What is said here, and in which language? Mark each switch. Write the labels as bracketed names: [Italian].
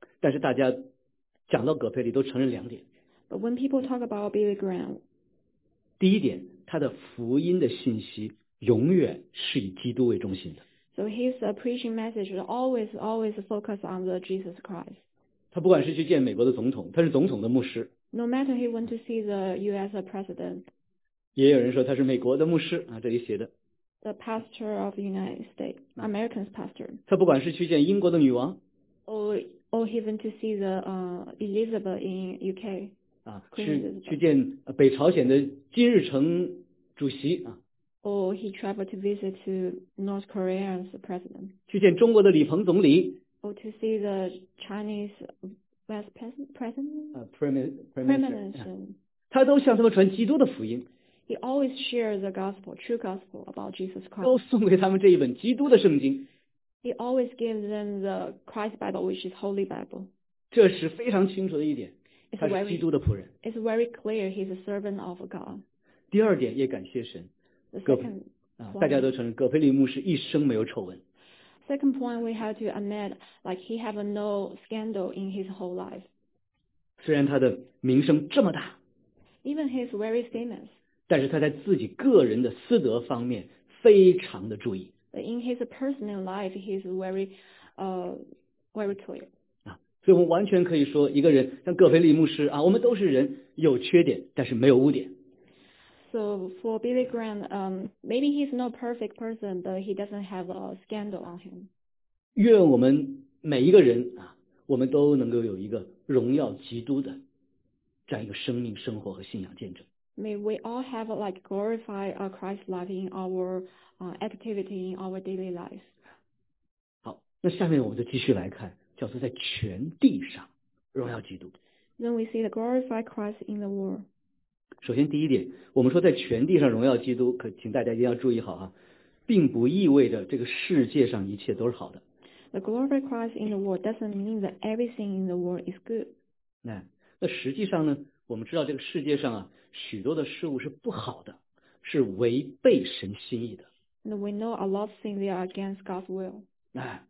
[Chinese] 但是大家。讲到葛培里都承认两点。 [English] But when people talk about Billy Graham, [Chinese] 第一点，他的福音的信息永远是以基督为中心的。 [English] So his preaching message is always focus on the Jesus Christ. [Chinese] 他不管是去见美国的总统，他是总统的牧师。 [English] No matter he went to see the U.S. president. [Chinese] 也有人说他是美国的牧师啊，这里写的。 [English] The pastor of the United States, American's pastor. [Chinese] 他不管是去见英国的女王。 [English] Or even to see the Elizabeth in UK. [Chinese] 啊，去见北朝鲜的金日成主席啊。 [English] Or he traveled to visit to North Korea's president. [Chinese] 去见中国的李鹏总理。 [English] Or to see the Chinese vice president. Prime minister. [Chinese] 他都向他们传基督的福音。 [English] He always shares the gospel, true gospel about Jesus Christ. [Chinese] 都送给他们这一本基督的圣经。 [English] He always gives them the Christ Bible, which is Holy Bible. [Chinese] 这是非常清楚的一点，他是基督的仆人。 [English] It's very clear he's a servant of God. [Chinese] 第二点也感谢神。 [English] The second point, [Chinese] 大家都承认葛培里牧师一生没有丑闻。 [English] Second point, we have to admit, like he have no scandal in his whole life. [Chinese] 虽然他的名声这么大。 [English] Even he's very famous. [Chinese] 但是他在自己个人的私德方面非常的注意。 [English] But in his personal life, he's very, very clear. [Chinese] 啊，所以我们完全可以说，一个人像葛菲利牧师啊，我们都是人，有缺点，但是没有污点。 [English] So for Billy Graham, maybe he's not a perfect person, but he doesn't have a scandal on him. [Chinese] 愿我们每一个人啊，我们都能够有一个荣耀基督的这样一个生命、生活和信仰见证。 [English] May we all have a, like glorify a Christ life in our activity in our daily life. [Chinese] 好，那下面我们就继续来看，叫做在全地上荣耀基督。 [English] Then we see the glorify Christ in the world. [Chinese] 首先第一点，我们说在全地上荣耀基督，可请大家一定要注意好啊，并不意味着这个世界上一切都是好的。 [English] The glorify Christ in the world doesn't mean that everything in the world is good. [Chinese] 那实际上呢，我们知道这个世界上啊，许多的事物是不好的，是违背神心意的。 [English] And we know a lot of things are against God's will.